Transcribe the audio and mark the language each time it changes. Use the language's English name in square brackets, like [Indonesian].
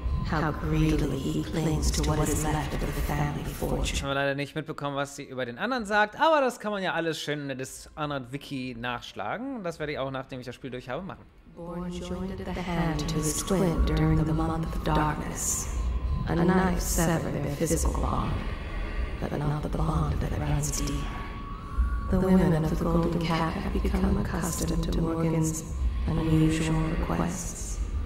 [English] How greedily he clings to what is left of the family fortune. [German] Ich habe leider nicht mitbekommen, was sie über den anderen sagt, aber das kann man ja alles schön in der Dishonored Wiki nachschlagen. Das werde ich auch, nachdem ich das Spiel durch habe, machen. [English] Born joined at the hand to his twin during the month of darkness. A knife severed their physical bond. but not the bond that runs deep. The women of the Golden Cap have become accustomed to Morgan's unusual requests.